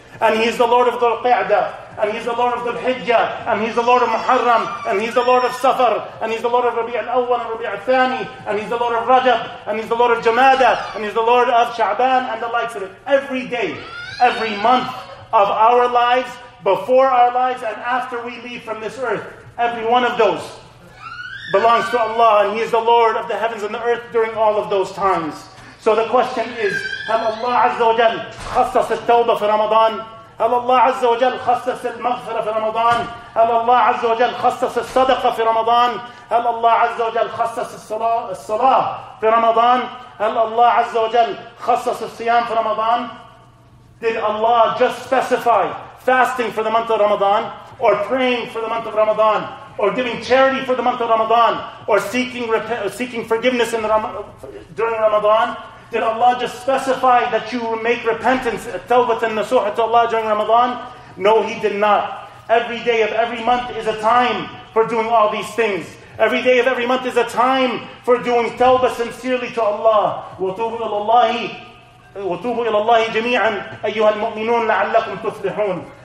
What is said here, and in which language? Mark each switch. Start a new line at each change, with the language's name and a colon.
English: And He's the Lord of Dhul-Qa'dah, and He's the Lord of Dhul-Hijjah, and He's the Lord of Muharram, and He's the Lord of Safar, and He's the Lord of Rabi' al-Awwal and Rabi' al-Thani, and He's the Lord of Rajab, and He's the Lord of Jamada, and He's the Lord of Sha'ban, and the likes of it. Every day, every month of our lives, before our lives, and after we leave from this earth, every one of those belongs to Allah, and He is the Lord of the heavens and the earth during all of those times. So the question is,
Arabic: هل الله عز وجل خصص التوبة في رمضان؟ هل الله عز وجل خصص المغفرة في رمضان؟ هل الله عز وجل خصص الصدقة في رمضان؟ هل الله عز وجل خصص الصلاة في رمضان؟ هل الله عز وجل خصص الصيام في رمضان؟
English: Did Allah just specify fasting for the month of Ramadan, or praying for the month of Ramadan, or giving charity for the month of Ramadan, or seeking forgiveness during Ramadan? Did Allah just specify that you make repentance, tawbah and nasuha to Allah during Ramadan? No, He did not. Every day of every month is a time for doing all these things. Every day of every month is a time for doing tawbah sincerely to Allah.
Arabic: وَتُوبُوا إِلَى اللَّهِ جَمِيعًا أَيُّهَا الْمُؤْمِنُونَ لَعَلَّكُمْ تُفْلِحُونَ.